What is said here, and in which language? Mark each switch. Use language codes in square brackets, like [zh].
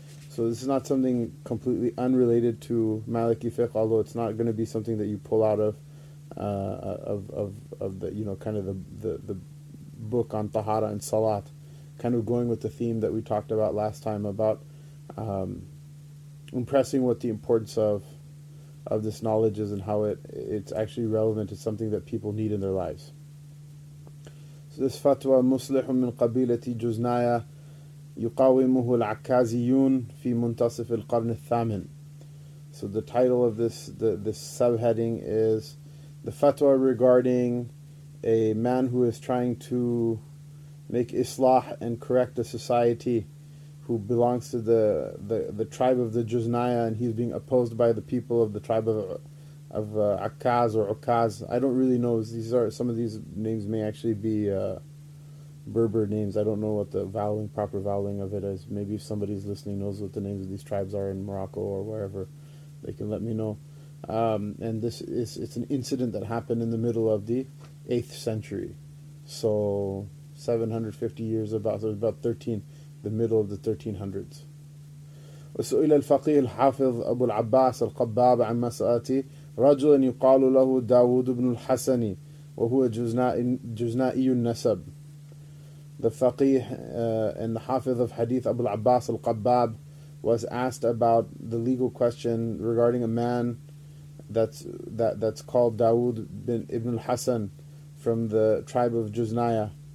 [en] So this is not something completely unrelated to Maliki fiqh, although it's not going to be something that you pull out of the, you know, kind of the book on Tahara and Salat. Kind of going with the theme that we talked about last time about impressing what the importance of this knowledge is and how it's actually relevant to something that people need in their lives. So this fatwa, [ar] مُصْلِحٌ مِنْ قَبِيلَةِ جُزْنَايَ يُقَاوِمُهُ الْعَكَّازِيُونَ فِي مُنْتَصِفِ الْقَرْنِ الثَّامِنِ. [en] So the title of this subheading is the fatwa regarding a man who is trying to make islah and correct a society who belongs to the tribe of the Juznaya, and he's being opposed by the people of the tribe of Akkaz or Ukkaz. I don't really know. Some of these names may actually be Berber names. I don't know what the proper vowelling of it is. Maybe if somebody's listening knows what the names of these tribes are in Morocco or wherever, they can let me know. And this is, it's an incident that happened in the middle of the 8th century. So 750 years about 13, the middle of the 1300s. [ar] وسئل الفقيه الحافظ أبو العباس القباب عن مسألتي رجل يقال له داود بن الحسن وهو جزنائي النسب. [en] The faqih and the hafiz of hadith Abu al-Abbas al-Qabbab was asked about the legal question regarding a man that's called Dawood bin Ibn al-Hasan from the tribe of Juznaya.